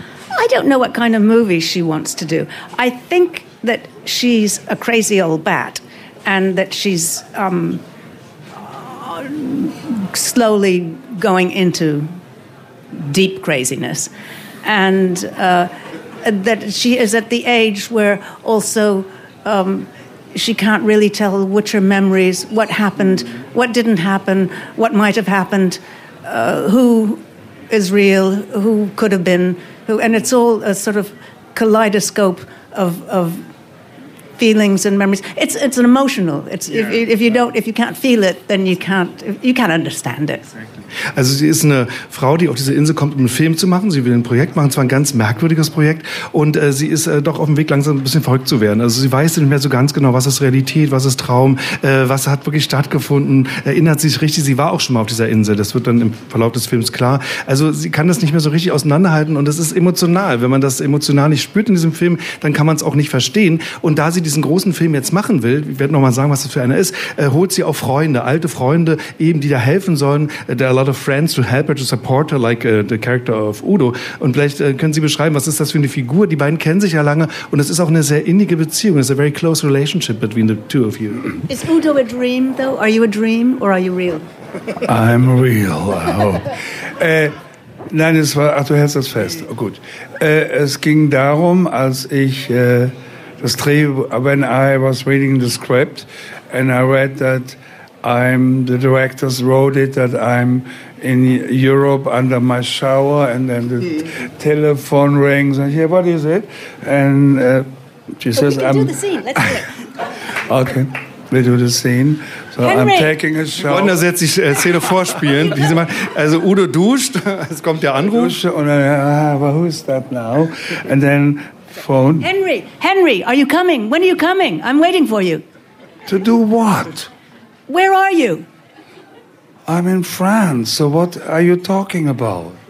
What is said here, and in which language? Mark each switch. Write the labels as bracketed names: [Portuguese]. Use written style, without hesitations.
[English] I don't know what kind of movie she wants to do. I think that she's a crazy old bat, and that she's slowly going into deep craziness, and that she is at the age where also she can't really tell which her memories, what happened, what didn't happen, what might have happened, who Israel, who could have been, who, and it's all a sort of kaleidoscope of feelings and memories. It's an emotional. If you can't feel it, then you can't understand it. Exactly. [German] Also sie ist eine Frau, die auf diese Insel kommt, um einen Film zu machen. Sie will ein Projekt machen, zwar ein ganz merkwürdiges Projekt, und sie ist doch auf dem Weg, langsam ein bisschen verrückt zu werden. Also sie weiß nicht mehr so ganz genau, was ist Realität, was ist Traum, was hat wirklich stattgefunden. Erinnert sich richtig, sie war auch schon mal auf dieser Insel. Das wird dann im Verlauf des Films klar. Also sie kann das nicht mehr so richtig auseinanderhalten, und es ist emotional. Wenn man das emotional nicht spürt in diesem Film, dann kann man es auch nicht verstehen. Und da sie diesen großen Film jetzt machen will, ich werde nochmal sagen, was das für einer ist, holt sie auch Freunde, alte Freunde eben, die da helfen sollen. [English] There are a lot of friends to help her, to support her, like the character of Udo. [German] Und vielleicht können Sie beschreiben, was ist das für eine Figur? Die beiden kennen sich ja lange, und es ist auch eine sehr innige Beziehung. [English] It's a very close relationship between the two of you. Is Udo a dream, though? Are you a dream, or are you real? I'm real, I hope. [German] Nein, es war, ach, du hältst das fest. Oh, gut. Es ging darum, als ich... [English] when I was reading the script and I read that the directors wrote it, that I'm in Europe under my shower, and then the telephone rings and yeah, what is it? And she but says, we can I'm. Do the scene. Let's do it. Okay, we do the scene. So Henry. I'm taking a shower. [German] Wollen jetzt die Szene vorspielen? Diese mal, also Udo duscht, es kommt der Anruf. [English] Dusche, und dann, but who is that now? And then. Phone. Henry, are you coming? When are you coming? I'm waiting for you. To do what? Where are you? I'm in France, so what are you talking about?